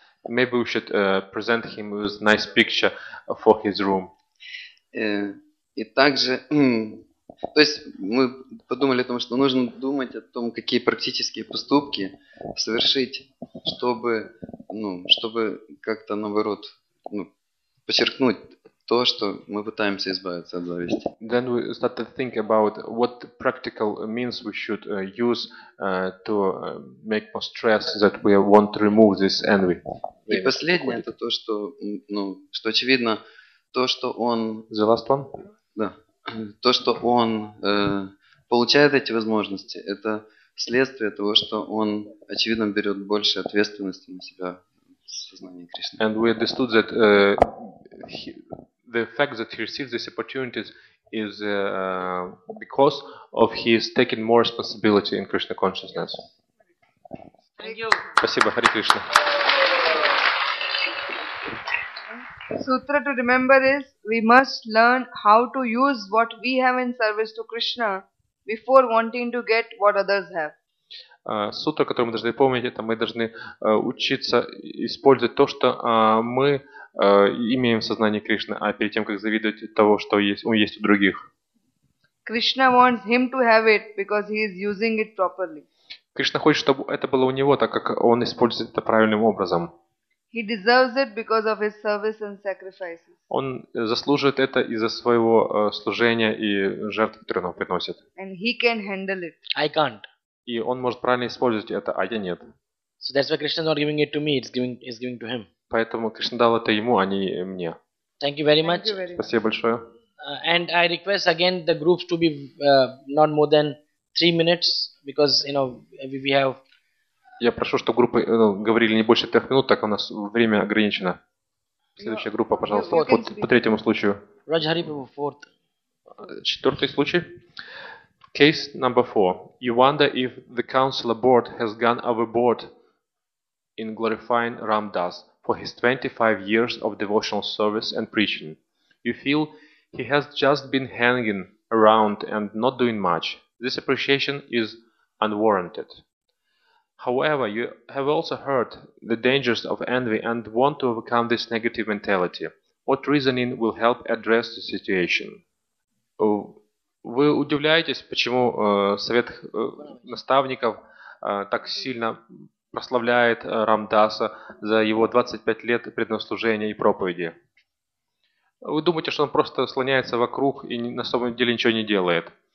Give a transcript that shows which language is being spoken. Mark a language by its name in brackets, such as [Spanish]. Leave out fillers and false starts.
[English] Maybe we should present him with nice picture for his room. [Russian] И также. То есть мы подумали о том, что нужно думать о том, какие практические поступки совершить, чтобы, ну, чтобы как-то наоборот, ну, подчеркнуть то, что мы пытаемся избавиться от зависти. [English] Then we started to think about what practical means we should use to make more stress that we want to remove this envy. [Russian] И последнее это то, что, ну, что очевидно, то, что он. [English] The last one? [Russian] Да. То, что он получает эти возможности, это следствие того, что он, очевидно, берет больше ответственности на себя в сознании Кришны. [English] And we understood that the fact that he receives these opportunities is because of his taking more responsibility in Krishna consciousness. Thank you. [Russian] Спасибо, Хари Кришна. [English] Sutra to remember is we must learn how to use what we have in service to Krishna before wanting to get what others have. [Russian] Сутра, которую мы должны помнить, это мы должны учиться использовать то, что мы имеем в сознании Кришны, а перед тем, как завидовать того, что есть у других. [English] Krishna wants him to have it because he is using it properly. [Russian] Кришна хочет, чтобы это было у него, так как он использует это правильным образом. [English] He deserves it because of his service and sacrifices. [Russian] Он заслуживает это из-за своего служения и жертв, которые он приносит. [English] And he can handle it. I can't. [Russian] И он может правильно использовать это, а я нет. [English] So that's why Krishna is not giving it to me, it's giving to him. [Russian] Поэтому Кришна дал это ему, а не мне. [English] Thank you very much. [Russian] Спасибо большое. [English] And I request again the groups to be not more than 3 minutes because you know we have. [Russian] Я прошу, чтобы группы говорили не больше 3 минут, так у нас время ограничено. Следующая группа, пожалуйста, по третьему случаю. Раджхари Прабху, [English] fourth. [Russian] Четвертый случай. [English] Case number 4. You wonder if the councillor board has gone overboard in glorifying Ram Das for his 25 years of devotional service and preaching. You feel he has just been hanging around and not doing much. This appreciation is unwarranted. However, you have also heard the dangers of envy and want to overcome this negative mentality. What reasoning will help address the situation? [Russian] Вы удивляетесь, почему совет наставников так сильно прославляет Рам Даса за его 25 лет преднослужения и проповеди? Вы думаете, что он просто слоняется вокруг и на самом деле ничего не делает?